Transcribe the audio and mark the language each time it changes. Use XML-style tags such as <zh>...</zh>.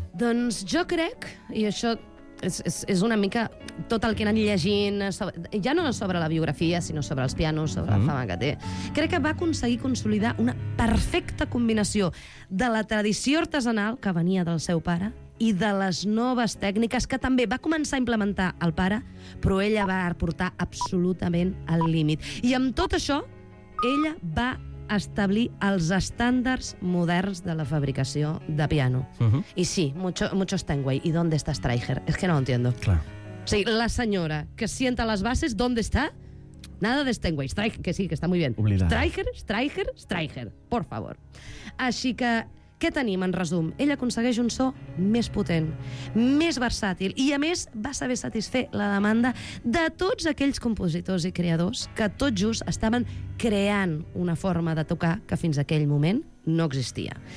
<ca>Doncs jo crec, i això és una mica tot el que he anat llegint, ja no sobre la biografia, sinó sobre els pianos, sobre la fama que té, crec que va aconseguir consolidar una perfecta combinació de la tradició artesanal que venia del seu pare i de les noves tècniques que també va començar a implementar el pare, però ella va portar absolutament al límit. I amb tot això, ella va establir els estàndards moderns de la fabricació de piano. I sí,</ca> <es>mucho Steinway. ¿Y dónde está Streicher? Es que no lo entiendo.</es> <ca>Clar. O sigui, la senyora que sienta les bases,</ca> <es>¿dónde está? Nada de Steinway. Streicher, que sí, que está muy bien.</es> <ca>Oblidada.</ca> <es>Streicher, por favor.</es> <ca>Així que, què tenim en resum? Ell aconsegueix un so més potent, més versàtil, i a més va saber satisfer la demanda de tots aquells compositors i creadors que tot just estaven creant una forma de tocar que fins aquell moment no existia.</ca>